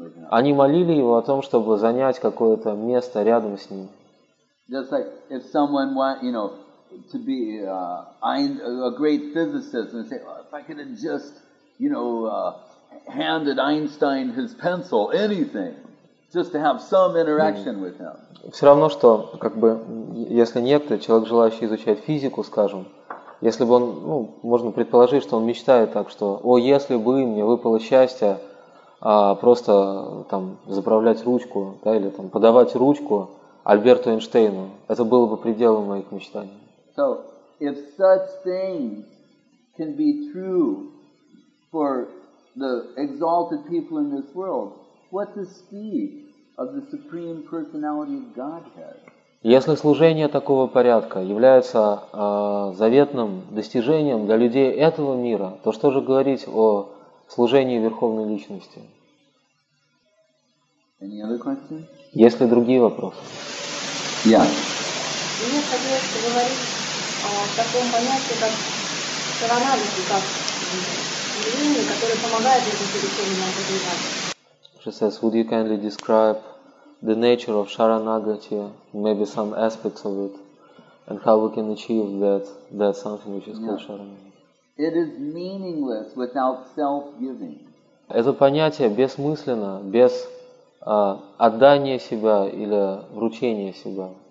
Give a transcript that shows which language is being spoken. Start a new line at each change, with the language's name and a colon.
Russian: Они молили его о том, чтобы занять какое-то место рядом с ним.
English: Just like if someone wants, you know, to be a great physicist and say, oh, if I could have just, you know, handed Einstein his pencil, anything. Just to have some interaction with him.
Russian: Все равно, что как бы если некто, человек, желающий изучать физику, скажем, если бы он, ну, можно предположить, что он мечтает так, что о, если бы мне выпало счастье, просто там заправлять ручку, да, или там подавать ручку Альберту Эйнштейну, это было бы пределом моих мечтаний.
English: So, if such things can be true for the exalted people in this world. What to speak of the supreme personality of Godhead?
Russian: Если служение такого порядка является заветным достижением для людей этого мира, то что же говорить о служении Верховной Личности?
English: Any other questions?
Russian: Есть ли другие вопросы? Я. Мне хотелось поговорить о таком понятии, как саранализм, как движение, которое помогает этому переходному развиванию.
English: She says, would you kindly describe the nature of Sharanagati, maybe some aspects of it, and how we can achieve that something which is called Sharanagati? It is meaningless without self-giving.
Russian: Это понятие бессмысленно, без отдания себя или вручения себя.